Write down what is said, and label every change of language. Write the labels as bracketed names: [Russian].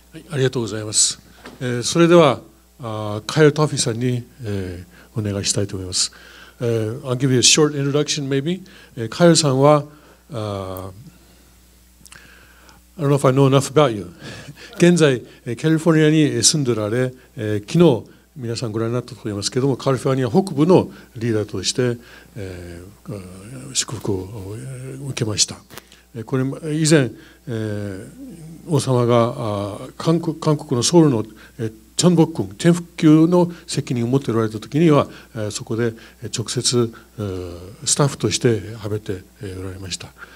[Japanese] ありがとうございます。それではカイル・トフィーさんにお願いしたいと思います。 [English] I'll give you a short introduction, maybe. [Japanese] カイルさんは、 [English] I don't know if I know enough about you. [Japanese] 現在、カリフォルニアに住んでおられ、昨日皆さんご覧になったと思いますけれども、カリフォルニア北部のリーダーとして、祝福を受けました。これ以前、王様が韓国のソウルのチョンボック天福宮の責任を持っておられた時には、そこで直接スタッフとしてはべておられました。